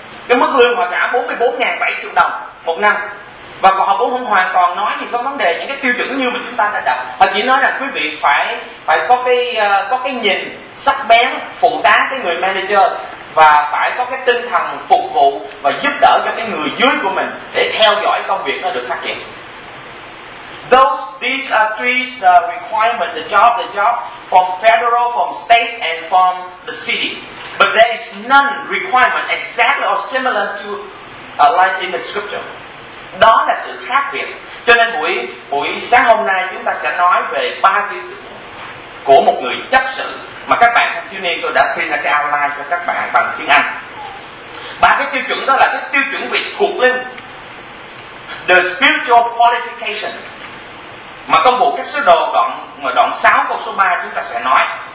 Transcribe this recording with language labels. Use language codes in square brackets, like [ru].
[vi] Cái mức lương họ trả 44.700 đồng một năm. Và họ cũng không hoàn toàn nói gì có vấn đề những cái tiêu chuẩn như mà chúng ta đã đọc. Họ chỉ nói là quý vị phải có cái nhìn sắc bén phụ tá cái người manager, và phải có cái tinh thần phục vụ và giúp đỡ cho cái người dưới của mình để theo dõi công việc nó được phát triển. [en] These are three requirements, the job from federal, from state and from the city. But there is none requirement exactly or similar to like in the scripture. [vi] Đó là sự khác biệt. Cho nên buổi sáng hôm nay chúng ta sẽ nói về ba tiêu chuẩn của một người chấp sự, mà các bạn thanh thiếu niên tôi đã print ra cái outline cho các bạn bằng tiếng Anh. Ba cái tiêu chuẩn đó là cái tiêu chuẩn về thuộc linh, [en] the spiritual qualification, [vi] mà công vụ các sứ đồ đoạn 6 câu số 3 chúng ta sẽ nói.